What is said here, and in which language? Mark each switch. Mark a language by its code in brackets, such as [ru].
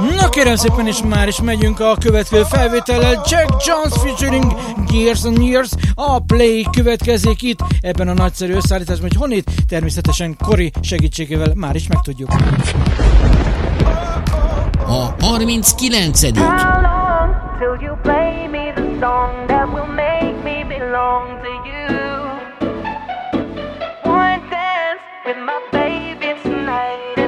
[hu] Kérem szépen, és már is megyünk a következő felvétellel. [en] Jack Jones featuring Gears and Years. [hu] A Play következik itt ebben a nagyszerű összeállításban, hogy honnét természetesen Kori segítségével már is megtudjuk. A 39. [en] How long till you play me the song that will make me belong to you? One dance with my baby tonight.